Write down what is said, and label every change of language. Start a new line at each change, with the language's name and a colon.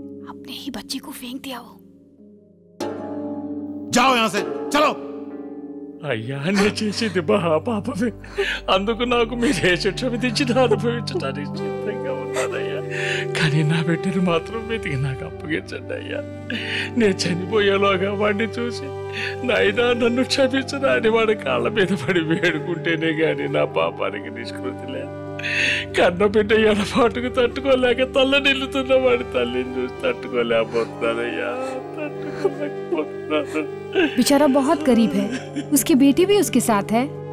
Hindi: अपने ही बच्चे को फेंक दिया वो. जाओ यहां से, चलो.
Telugu: అయ్యా, నే చేసేది మహాపాపమే, అందుకు నాకు మీరే శిక్ష విధించినా అనుభవించడానికి సిద్ధంగా ఉన్నానయ్యా. కానీ నా బిడ్డను మాత్రం వెతికి నాకు అప్పగించండి అయ్యా. నే చనిపోయేలోగా వాడిని చూసి నాయనా నన్ను క్షమించరా అని వాడి కాళ్ళ మీద పడి వేడుకుంటేనే గాని నా పాపానికి నిష్కృతి లే. కన్న బిడ్డ ఎడపాటుకు తట్టుకోలేక తల్ల నిల్లుతున్న వాడి తల్లిని చూసి తట్టుకోలేకపోతున్నానయ్యా.
Hindi: बेचारा बहुत गरीब है, उसकी बेटी भी उसके साथ है.